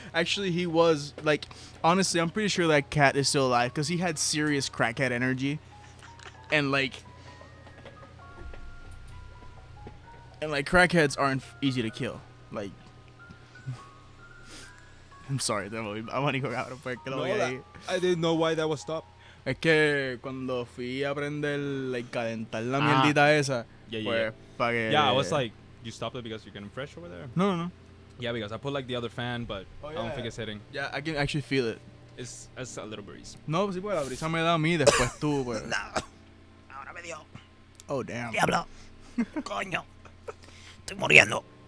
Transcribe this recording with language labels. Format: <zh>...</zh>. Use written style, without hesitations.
<en>Actually, he was, like, honestly, I'm pretty sure that cat is still alive because he had serious crackhead energy. And, like, crackheads aren't easy to kill. Like. I'm sorry, I want to go out of fuego. I didn't know why that was stopped.</en> <es>Es que cuando fui a aprender a calentar la mierdita esa.</es> <en>Yeah, I was like, you stopped it because you're getting fresh over there? No. Yeah, because I put like the other fan, but I don't think it's hitting. Yeah, I can actually feel it. It's a little breeze.</en> <es>No, si, pues la brisa me da a mí, después tú, pues. No. Ahora me dio.</es> <en>Oh, damn.</en> <es>Diablo. Coño. Estoy muriendo.</es>